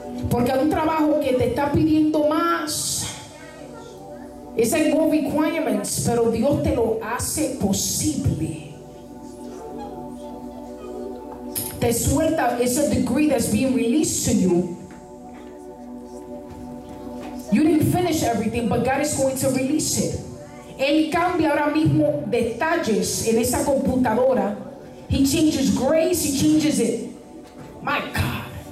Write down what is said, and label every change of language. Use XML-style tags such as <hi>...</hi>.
<es>Porque hay un trabajo que te está pidiendo más. Es el</es> <en>no requirements,</en> <es>pero Dios te lo hace posible. Te suelta ese</es> <en>degree that's being released to you. You didn't finish everything, but God is going to release it.</en> <es>Él cambia ahora mismo detalles en esa computadora.</es> <en>He changes grace, he changes it. My God.</en>